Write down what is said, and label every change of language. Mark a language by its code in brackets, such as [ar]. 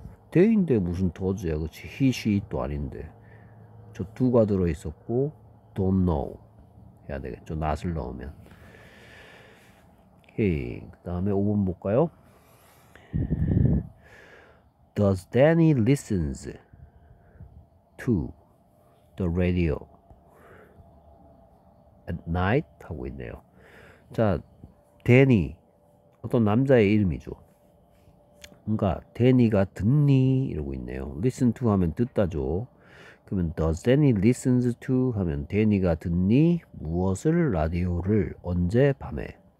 [ko] 데인데 무슨 더즈야. 그치, he, she, it도 아닌데. 저 두가 들어있었고 [en] don't know [ko] 해야 되겠죠, not을 넣으면. 오케이, 그 다음에 5번 볼까요? [en] Does Danny listens to the radio at night? [ko] 하고 있네요. 자, Danny 어떤 남자의 이름이죠. 뭔가 데니가 듣니 이러고 있네요. listen to 하면 듣다죠. 그러면 [en] does Danny listens to [ko] 하면 데니가 듣니 무엇을, 라디오를, 언제, 밤에.